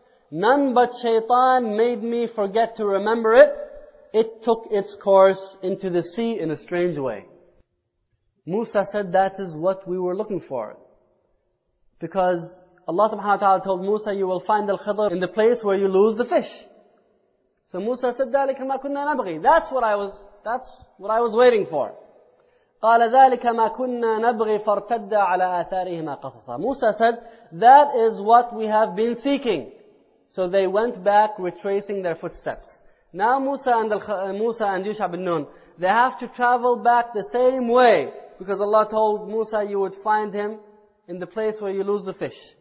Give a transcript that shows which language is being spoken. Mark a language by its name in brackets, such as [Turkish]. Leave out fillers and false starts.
[English] None but shaitan made me forget to remember it. It took its course into the sea in a strange way. Musa said, that is what we were looking for. Because Allah subhanahu wa ta'ala told Musa, you will find al-Khidr in the place where you lose the fish. So Musa said, [Arabic] ذَلِكَ مَا كُنَّا نَبْغِي. [English] That's what I was waiting for. [Arabic] قَالَ ذَلِكَ مَا كُنَّا نَبْغِي فَارْتَدَّ عَلَىٰ آثَارِهِمَا قَصَصًا. [English] Musa said, that is what we have been seeking. So they went back retracing their footsteps. Now Musa and Yusha bin Nun, they have to travel back the same way, because Allah told Musa, you would find him in the place where you lose the fish.